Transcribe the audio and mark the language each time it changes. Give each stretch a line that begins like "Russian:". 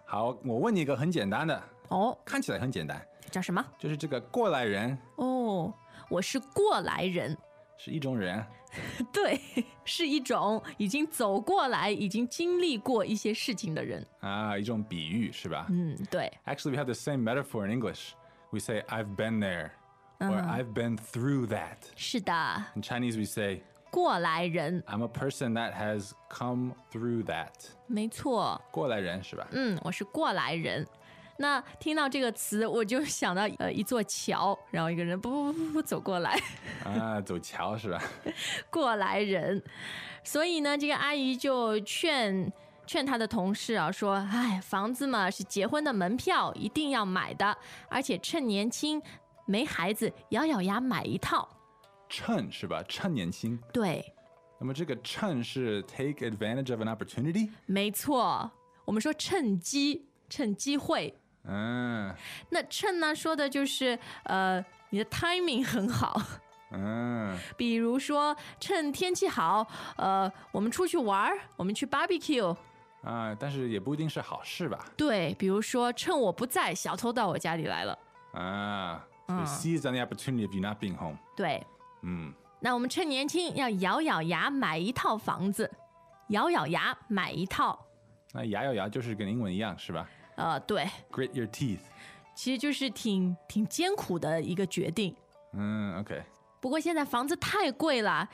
Chinese: 好，我问你一个很简单的。哦。看起来很简单。叫什么？就是这个过来人。哦，我是过来人。是一种人。对，是一种已经走过来，已经经历过一些事情的人。啊，一种比喻是吧？嗯，对。
English: Actually, we have the same metaphor in English. We say, I've been there. Or I've been through that.
Chinese: 是的。
English: In Chinese, we say,
Chinese: 过来人。
English: I'm a person that has come through that.
Chinese: 没错。过来人是吧？嗯，我是过来人。那听到这个词，我就想到一座桥，然后一个人不不不不走过来。啊，走桥是吧？过来人。所以呢，这个阿姨就劝她的同事啊，说：“哎，房子嘛是结婚的门票，一定要买的，而且趁年轻，没孩子，咬咬牙买一套。” 趁是吧？趁年轻。对。
English: 那么这个趁是 take advantage of an opportunity？
Chinese: 没错，我们说趁机，趁机会。嗯。那趁呢，说的就是你的 timing 很好。嗯。比如说趁天气好，我们出去玩，我们去 barbecue。但是也不一定是好事吧？对，比如说趁我不在，小偷到我家里来了。啊。
English: So seize on the opportunity of you not being home。
Chinese: 对。嗯，那我们趁年轻要咬咬牙买一套房子，咬咬牙买一套。那牙咬牙就是跟英文一样是吧？对。
English: Grit your teeth。
Chinese: 其实就是挺艰苦的一个决定。嗯 ，OK。不过现在房子太贵了。